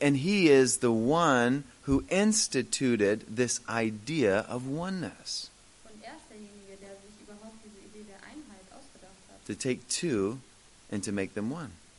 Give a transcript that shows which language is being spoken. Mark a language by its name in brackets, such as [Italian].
[English] And he is the one who instituted this idea of oneness. [German] Und er ist derjenige, der sich überhaupt diese Idee der Einheit ausgedacht hat. [English] To take two and to make them one.